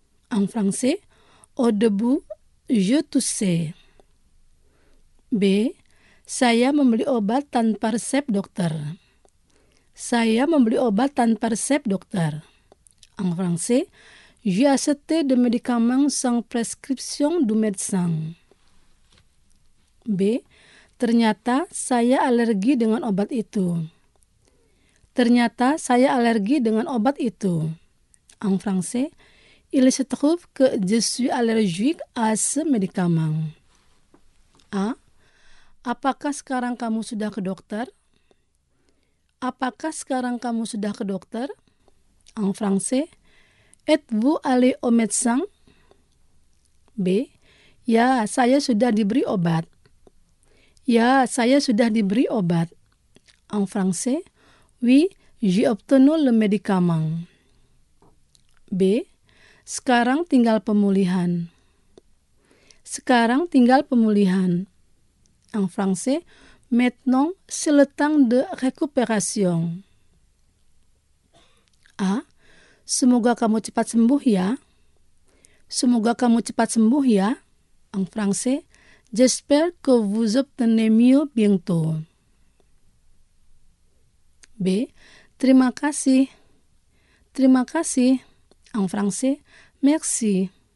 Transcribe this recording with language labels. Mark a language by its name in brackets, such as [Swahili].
[French] En français, au début, je toussais. B. [Indonesian] Saya membeli obat tanpa resep dokter. Saya membeli obat tanpa resep dokter. [French] En français, j'ai acheté des médicaments sans prescription du médecin. B. [Indonesian] Ternyata saya alergi dengan obat itu. Ternyata saya alergi dengan obat itu. [French] En français, il se trouve que je suis allergique à ce médicament. A. [Indonesian] Apakah sekarang kamu sudah ke dokter? Apakah sekarang kamu sudah ke dokter? [French] En français, êtes-vous allé au médecin? B. [Indonesian] Ya, saya sudah diberi obat. Ya, saya sudah diberi obat. [French] En français, oui, j'ai obtenu le médicament. B. [Indonesian] Sekarang tinggal pemulihan. Sekarang tinggal pemulihan. [French] En français, maintenant, c'est le temps de récupération. A. [Indonesian] Semoga kamu cepat sembuh ya. Semoga kamu cepat sembuh ya. [French] En français, j'espère que vous obtenez mieux bientôt. [Indonesian] B. Terima kasih. Terima kasih. [French] En français, merci.